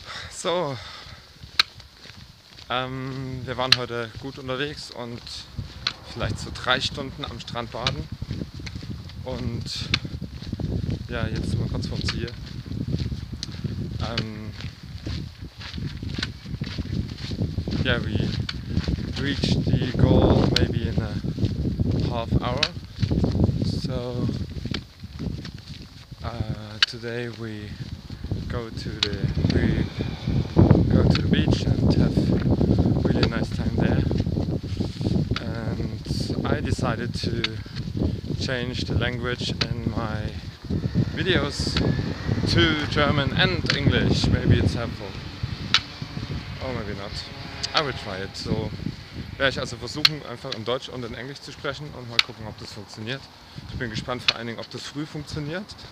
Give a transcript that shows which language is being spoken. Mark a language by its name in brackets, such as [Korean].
[German] So, wir waren heute gut unterwegs und vielleicht so 3 Stunden am Strand baden. Und ja, jetzt sind wir kurz vorm Ziel. [English] Yeah, we reached the goal maybe in a half hour. So, today we go to the beach and have really nice time there. And I decided to change the language in my videos to German and English. Maybe it's helpful. Or maybe not. I will try it. [German] So werde ich also versuchen, einfach in Deutsch und in Englisch zu sprechen und mal gucken, ob das funktioniert. Ich bin gespannt vor allen Dingen, ob das früh funktioniert.